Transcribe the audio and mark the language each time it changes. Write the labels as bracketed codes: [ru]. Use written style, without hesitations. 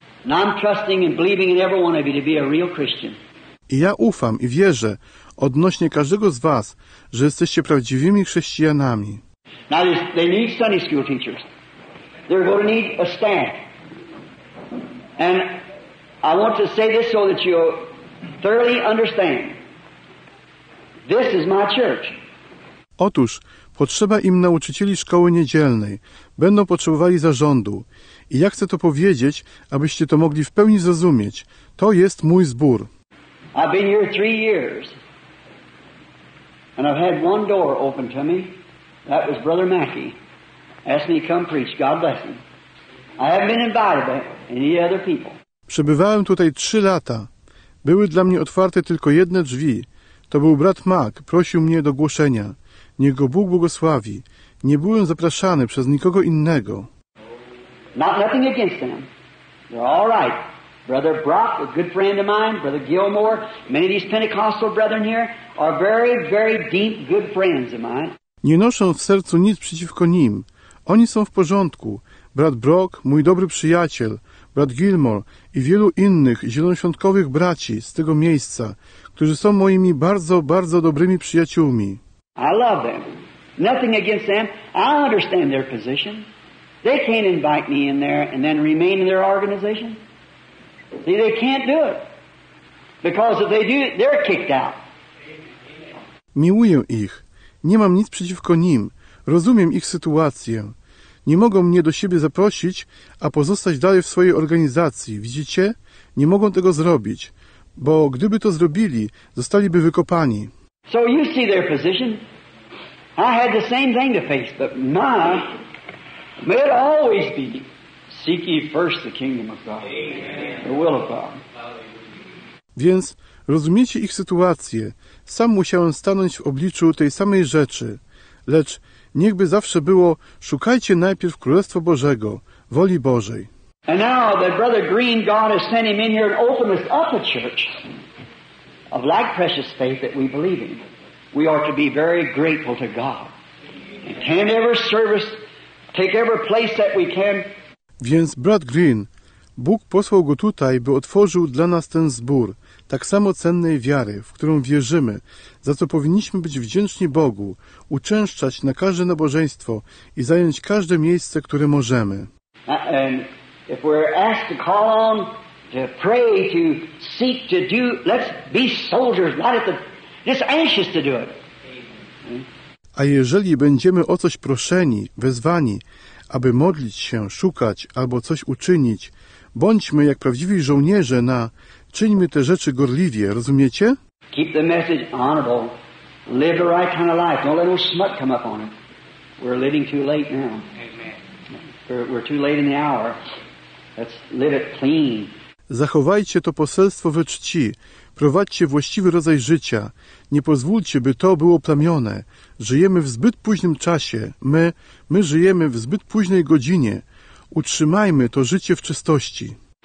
[en] Now I'm trusting and believing in every one of you to be a real Christian. [pl] I ja ufam i wierzę odnośnie każdego z was, że jesteście prawdziwymi chrześcijanami. [en] Now they need Sunday school teachers. They're going to need a staff. And I want to say this so that you'll thoroughly understand. This is my church. [pl] Otóż potrzeba im nauczycieli szkoły niedzielnej. Będą potrzebowali zarządu. I ja chcę to powiedzieć, abyście to mogli w pełni zrozumieć. To jest mój zbór. [en] I've been here 3 years. And I've had one door open to me. That was Brother Mackey. Asked me to come preach. God bless him. I haven't been invited by any other people. [pl] Przebywałem tutaj 3 lata. Były dla mnie otwarte tylko jedne drzwi. To był brat Mac, prosił mnie do głoszenia. Niech go Bóg błogosławi. Nie byłem zapraszany przez nikogo innego. [en] Not nothing against them. They're all right. Brother Brock, a good friend of mine, Brother Gilmore, many of these Pentecostal brethren here are very, very deep, good friends of mine. [pl] Nie noszę w sercu nic przeciwko nim. Oni są w porządku. Brat Brock, mój dobry przyjaciel, brat Gilmore i wielu innych zielonoświątkowych braci z tego miejsca, którzy są moimi bardzo, bardzo dobrymi przyjaciółmi. [en] I love them. Nothing against them. I understand their position. They can't invite me in there and then remain in their organization. See, they can't do it. Because if they do it, they're kicked out. [pl] Miłuję ich. Nie mam nic przeciwko nim. Rozumiem ich sytuację. Nie mogą mnie do siebie zaprosić, a pozostać dalej w swojej organizacji. Widzicie? Nie mogą tego zrobić. Bo gdyby to zrobili, zostaliby wykopani. [en] So you see their position. I had the same thing to face, but my, may it always be, seek ye first the kingdom of God, the will of God. [pl] Więc rozumiecie ich sytuację. Sam musiałem stanąć w obliczu tej samej rzeczy. Lecz niechby zawsze było, szukajcie najpierw Królestwa Bożego, woli Bożej. [en] And now that Brother Green, God has sent him in here to open us up a church of like precious faith that we believe in. We are to be very grateful to God. Attend every service, take every place that we can. [pl] Więc brat Green, Bóg posłał go tutaj, by otworzył dla nas ten zbór tak samo cennej wiary, w którą wierzymy, za co powinniśmy być wdzięczni Bogu, uczęszczać na każde nabożeństwo i zająć każde miejsce, które możemy. [en] And if we're asked to call on, to pray, to seek, to do, let's be soldiers, not at the... Just anxious to do it. [pl] A jeżeli będziemy o coś proszeni, wezwani, aby modlić się, szukać albo coś uczynić, bądźmy jak prawdziwi żołnierze na czyńmy te rzeczy gorliwie, rozumiecie? [en] Keep the message honorable. Live the right kind of life. Don't let no smut come up on it. We're living too late now. We're too late in the hour. Let's live it clean. [pl] Zachowajcie to poselstwo we czci. Prowadźcie właściwy rodzaj życia. Nie pozwólcie, by to było plamione. Żyjemy w zbyt późnym czasie. My żyjemy w zbyt późnej godzinie. Utrzymajmy to życie w czystości.